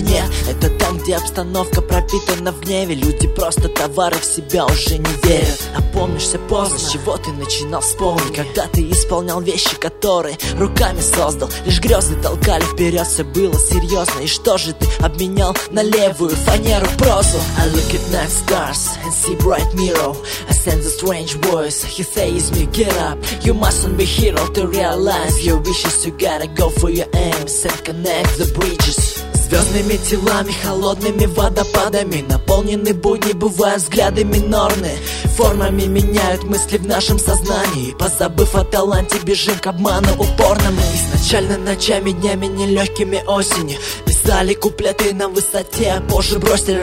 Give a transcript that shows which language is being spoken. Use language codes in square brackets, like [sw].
[ru] Нет, это там, где обстановка пропитана в гневе. Люди просто товары, в себя уже не верят. Опомнишься поздно, с чего ты начинал, вспомни. Когда ты исполнял вещи, которые руками создал. Лишь грезы толкали вперед, все было серьезно. И что же ты обменял на левую фанеру прозу? [en] I look at night stars and see bright mirror. I send a strange voice, he says me get up. You mustn't be hero to realize your wishes. You gotta go for your aims and connect the bridges. [ru] Звездными телами, холодными водопадами. Наполнены будни, бывают взгляды минорные. Формами меняют мысли в нашем сознании. Позабыв о таланте, бежим к обману упорному. Изначально ночами, днями, нелегкими осенью. Писали куплеты на высоте, а позже бросили.